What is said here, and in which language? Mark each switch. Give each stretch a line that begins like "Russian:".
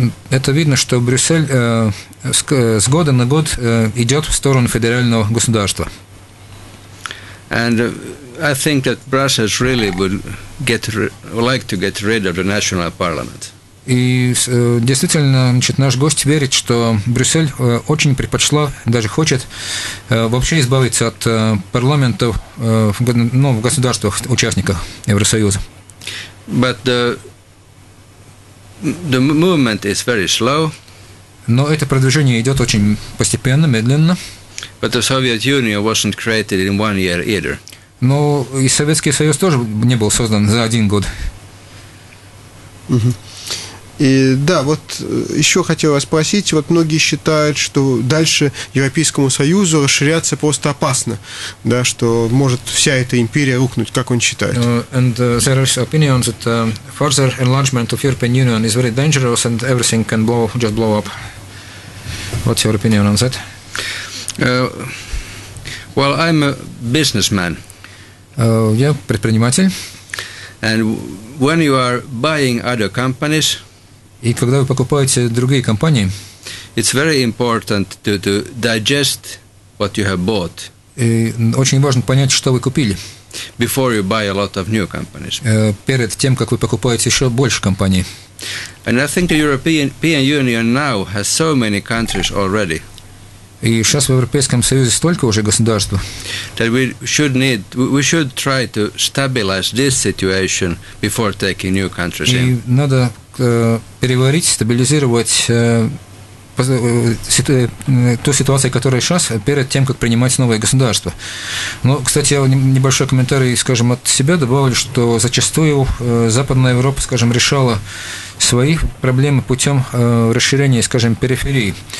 Russian: Это видно, что Брюссель с года на год идет в сторону федерального государства.
English: And I think that Brussels really would like to get rid of the national parliament.
Russian: И действительно, значит, наш гость верит, что Брюссель очень предпочла, даже хочет вообще избавиться от парламентов в государствах-участниках Евросоюза.
English: But the movement is very slow.
Russian: Но это продвижение идет очень постепенно, медленно.
English: But the Soviet Union wasn't created in one year either.
Russian: Но и Советский Союз тоже не был создан за один год. И да, вот еще хотел вас спросить, вот многие считают, что дальше Европейскому Союзу расширяться просто опасно, да, что может вся эта империя рухнуть, как он считает?
English: And there is opinion that further enlargement of European Union is very dangerous and everything can blow up. What's your opinion on that? Well, I'm a businessman.
Russian: Я предприниматель.
English: And when you are buying other companies.
Russian: И когда вы покупаете другие компании,
English: it's very important to digest what you have bought.
Russian: И очень важно понять, что вы купили.
English: Before you buy a lot of new companies.
Russian: Перед тем, как вы покупаете еще больше компаний.
English: And I think the European Union now has so many countries already.
Russian: И сейчас в Европейском Союзе столько уже государств.
English: That we should try to stabilize this situation before taking new countries in.
Russian: И надо переварить, стабилизировать ту ситуацию, которая сейчас, перед тем, как принимать новые государства. Но, кстати, я небольшой комментарий, скажем, от себя добавлю, что зачастую Западная Европа, скажем, решала свои проблемы путем расширения, скажем, периферии.